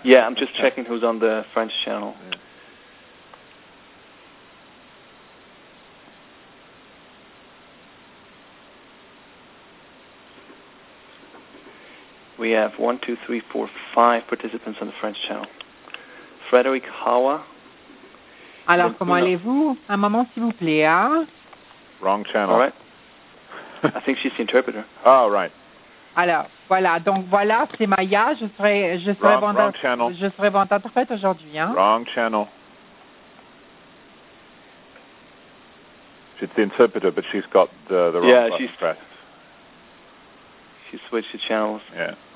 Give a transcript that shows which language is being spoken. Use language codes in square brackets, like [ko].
[en] Yeah, I'm just checking who's on the French channel. Yeah. We have 1, 2, 3, 4, 5 participants on the French channel. Frédéric Hawa. [fr] Alors, comment allez-vous? Un moment, s'il vous plaît, hein? [en] Wrong channel. All right. I think she's the interpreter. Oh, right. [fr] Alors, voilà. Donc, voilà, c'est Maya. Je serai votre interprète aujourd'hui, hein? [en] Wrong channel. She's the interpreter, but she's got the wrong yeah, button she's pressed. She switched the channels. Yeah.